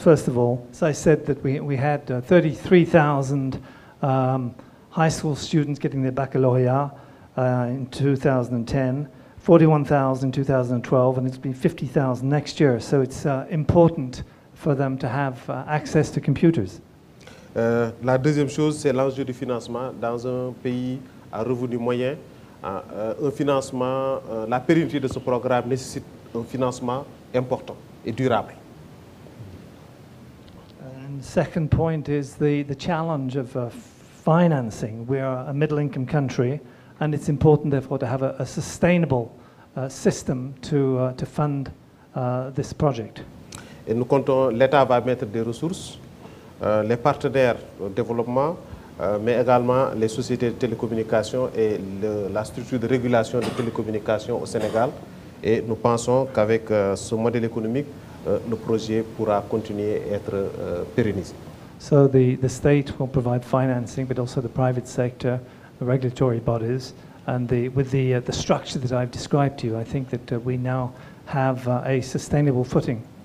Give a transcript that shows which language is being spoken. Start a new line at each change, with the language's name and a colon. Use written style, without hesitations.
English: First of all, as I said, that we had 33,000 high school students getting their baccalauréat in 2010, 41,000 in 2012, and it's been 50,000 next year. So it's important for them to have access to computers.
French: La deuxième chose, c'est l'enjeu du financement dans un pays à revenus moyens. La pérennité de ce programme nécessite un financement important et durable.
English: And second point is the challenge of financing. We are a middle-income country, and it's important, therefore, to have a sustainable system to fund this project.
French: Et nous comptons, l'État va mettre des ressources. Les partenaires de développement, mais également les sociétés de télécommunications et la structure de régulation des télécommunications au Sénégal. Et nous pensons qu'avec ce modèle économique, le projet pourra continuer à être pérennisé.
English: So the state will provide financing, but also the private sector, the regulatory bodies, and with the structure that I've described to you, I think that we now have a sustainable footing.